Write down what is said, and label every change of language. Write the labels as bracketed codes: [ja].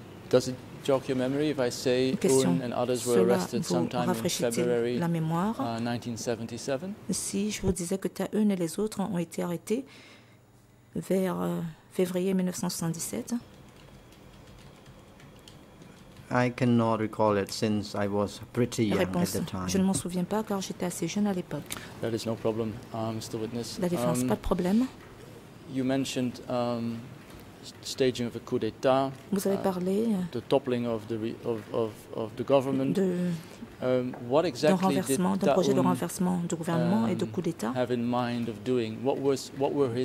[en] Does it jog your memory if I say Un and others were arrested sometime in February 1977? [fr] Si je vous disais que Un et les autres ont été arrêtés vers février 1977? [en] I cannot recall it since I was pretty young at the time. [fr] Je ne m'en souviens pas car j'étais assez jeune à l'époque. [en] That is no problem, Mr. Witness. [fr] La défense, pas de problème. [en] You mentioned staging of a coup d'état. [fr] Vous avez parlé [en] the toppling of the of the government. [fr] De [en] what exactly [fr] d'un projet de renversement du gouvernement et de coup d'état. [en] Have in mind of doing what were his